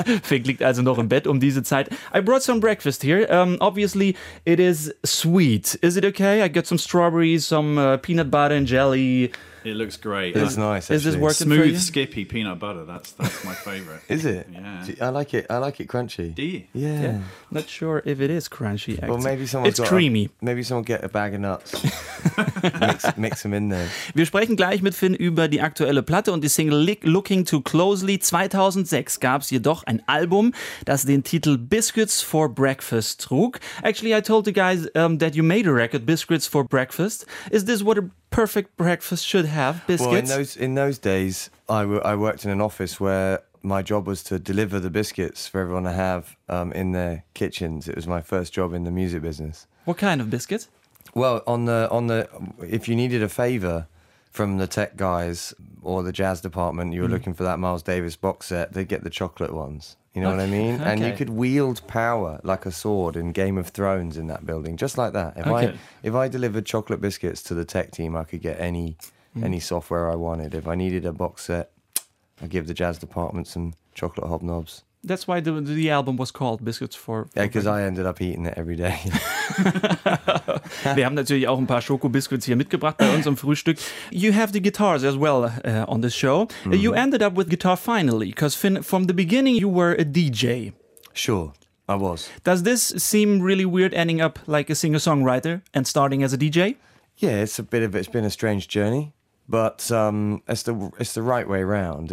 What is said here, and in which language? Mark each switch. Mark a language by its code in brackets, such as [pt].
[de] Fink liegt also noch im Bett um diese Zeit. [en] I brought some breakfast here. Obviously, it is sweet. Is it okay? I got some strawberries, some peanut butter and jelly. It looks great. It's nice. Actually. Is this working smooth, for you? Skippy peanut butter? That's my favorite. Is it? Yeah. I like it. I like it crunchy. Do you? Yeah. Not sure if it is crunchy. Actually. Well, maybe someone. It's creamy. Maybe someone get a bag of nuts. mix them in there. [de] Wir sprechen gleich mit Finn über die aktuelle Platte und die Single Looking Too Closely. 2006 gab es jedoch ein Album, das den Titel Biscuits for Breakfast trug. [en] Actually, I told the guys that you made a record, Biscuits for Breakfast. Is this what a perfect breakfast should have? Biscuits? Well, in those days, I worked in an office where my job was to deliver the biscuits for everyone to have in their kitchens. It was my first job in the music business. What kind of biscuits? Well, on the if you needed a favor from the tech guys or the jazz department, you were looking for that Miles Davis box set, they'd get the chocolate ones. You know what I mean? Okay. And you could wield power like a sword in Game of Thrones in that building, just like that. If I delivered chocolate biscuits to the tech team, I could get any software I wanted. If I needed a box set, I'd give the jazz department some chocolate hobnobs. That's why the album was called Biscuits for... Yeah, because I ended up eating it every day. [de] Wir haben natürlich auch ein paar Schoko-Biscuits hier mitgebracht bei uns am Frühstück. [en] You have the guitars as well on this show. Mm-hmm. You ended up with guitar finally, because Finn, from the beginning you were a DJ. Sure, I was. Does this seem really weird ending up like a singer-songwriter and starting as a DJ? Yeah, it's been a strange journey, but it's the right way around.